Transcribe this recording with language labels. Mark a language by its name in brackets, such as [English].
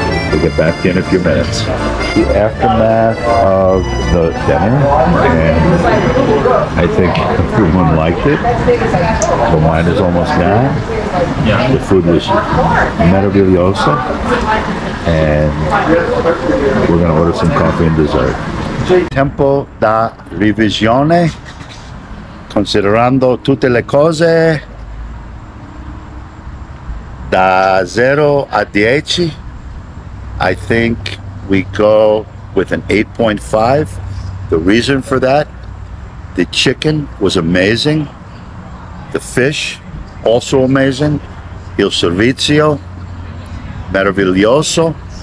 [English] We'll get back in a few minutes. The aftermath of the dinner, and I think everyone liked it. The wine is almost gone. Yeah. The food was meraviglioso, and we're gonna order some coffee and dessert. [Italian] Tempo da revisione, considerando tutte le cose. [English] Da 0 to 10, I think we go with an 8.5. The reason for that, the chicken was amazing. The fish, also amazing. [Italian] Il servizio, meraviglioso.